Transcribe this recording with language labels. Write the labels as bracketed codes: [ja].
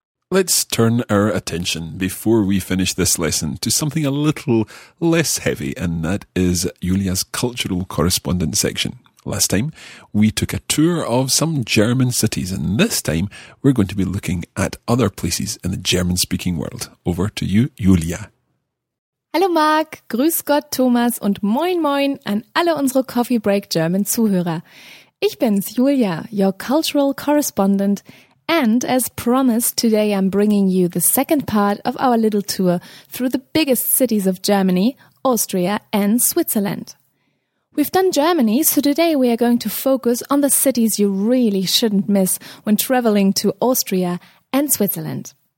[en] Let's turn our attention, before we finish this lesson, to something a little less heavy, and that is Julia's cultural correspondent section. Last time, we took a tour of some German cities, and this time, we're going to be looking at other places in the German-speaking world. Over to you, Julia. [de] Hallo Marc, grüß Gott Thomas und moin moin an alle unsere Coffee Break German Zuhörer. Ich bin's, Julia, [en] your cultural correspondent. And as promised, today I'm bringing you the second part of our little tour through the biggest cities of Germany, Austria and Switzerland. We've done Germany, so today we are going to focus on the cities you really shouldn't miss when traveling to Austria and Switzerland.